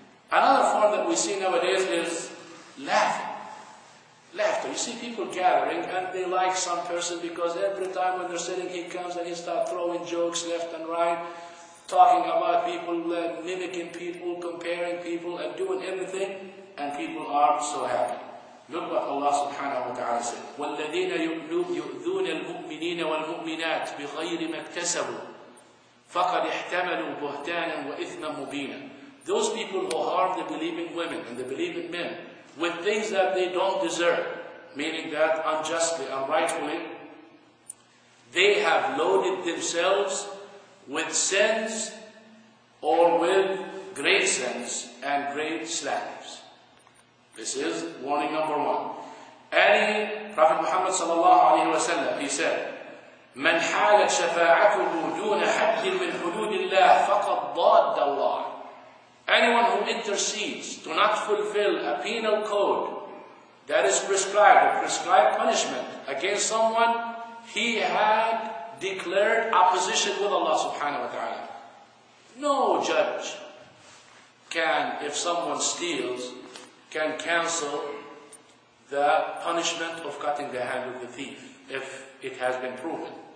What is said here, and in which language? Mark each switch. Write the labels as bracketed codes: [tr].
[en] Another form that we see nowadays is laughing. Laughter. You see people gathering and they like some person because every time when they're sitting he comes and he starts throwing jokes left and right, talking about people, mimicking people, comparing people and doing everything, and people are so happy. [ar] لبق الله سبحانه وتعالى سيد. والذين يؤذون المؤمنين والمؤمنات بغير ما اكتسبوا فقد احتملوا بهتانا وإثما مبينا. [en] Those people who harm the believing women and the believing men with things that they don't deserve, meaning that unjustly, unrightfully, they have loaded themselves with sins or with great sins and great slanders. This is warning number one. Any Prophet Muhammad sallallahu alaihi wasallam, he said, [ar] "من حالت شفاعته دون حد من حدود الله فقد ضاد الله." [en] Anyone who intercedes to not fulfill a penal code that is prescribed, a prescribed punishment against someone, he had declared opposition with Allah subhanahu wa ta'ala. No judge can, if someone steals, can cancel the punishment of cutting the hand of the thief, if it has been proven.